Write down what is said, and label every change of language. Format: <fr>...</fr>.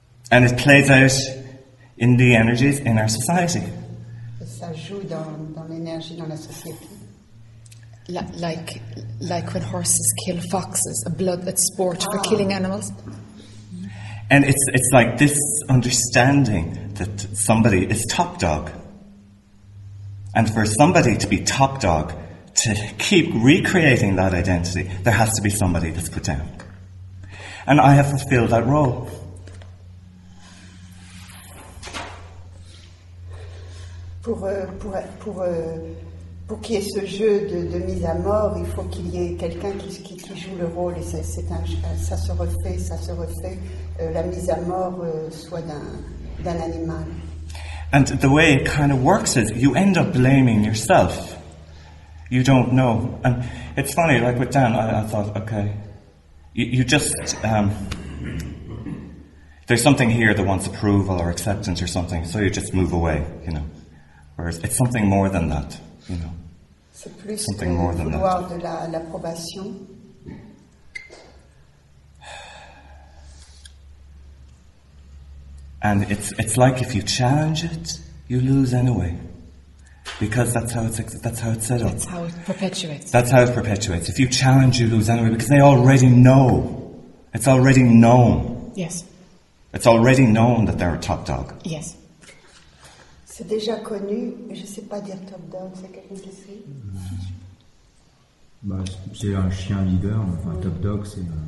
<en>And it plays out in the energies in our society.</en> <fr>Et ça joue dans l'énergie dans la société.</fr> <en>Like when horses kill foxes, a blood sport for killing animals. And it's like this understanding that somebody is top dog. And for somebody to be top dog, to keep recreating that identity, there has to be somebody that's put down. And I have fulfilled that role.</en> <fr>Pour qu'il y ait ce jeu de mise à mort, il faut qu'il y ait quelqu'un qui joue le rôle. Et ça se refait, la mise à mort soit d'un animal.</fr> <en>And the way it kind of works is you end up blaming yourself. You don't know. And it's funny, like with Dan, I thought, okay, you just, there's something here that wants approval or acceptance or something, so you just move away, you know. Whereas it's something more than that, you know.</en> <fr>C'est plus</fr> <en>something more than that.</en> <fr>Vouloir de l'approbation.</fr> <en>And it's like if you challenge it, you lose anyway. Because that's how it's set up. That's how it perpetuates. If you challenge, you lose anyway, because they already know. It's already known. Yes. It's already known that they're a top dog. Yes.</en> <fr>C'est déjà connu, mais je ne sais pas dire top dog, c'est quelqu'un qui sait. C'est un chien leader, enfin top dog, c'est...</fr>